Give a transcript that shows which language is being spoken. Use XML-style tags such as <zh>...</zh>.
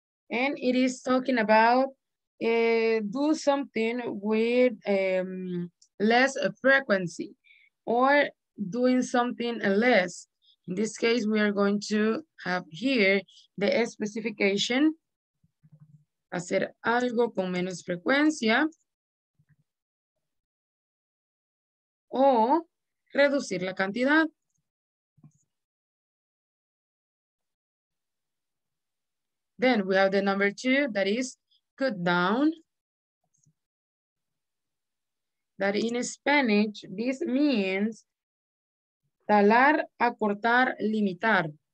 <en>And it is talking about do something with less frequency or doing something less. In this case, we are going to have here the specification.</en> <es>Hacer algo con menos frecuencia o reducir la cantidad.</es> <en>Then we have the number two, that is cut down. That in Spanish, this means</en> <es>talar, acortar, limitar.</es>